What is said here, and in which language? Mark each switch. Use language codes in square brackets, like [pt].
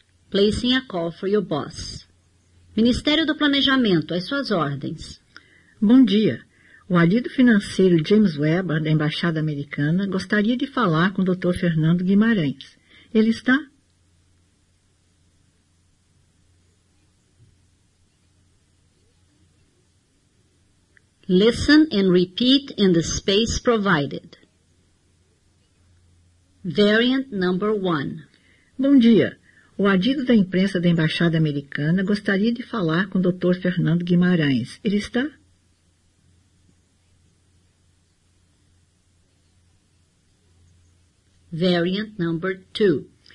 [en] Placing a call for your boss. [pt] Ministério do Planejamento, às suas ordens. Bom dia. O alívio financeiro James Weber, da Embaixada Americana, gostaria de falar com o Dr. Fernando Guimarães. Ele está? [en] Listen and repeat in the space provided. Variant number 1. [pt] Bom dia. O adido da imprensa da Embaixada Americana gostaria de falar com o Dr. Fernando Guimarães. Ele está? [en] Variant number 2.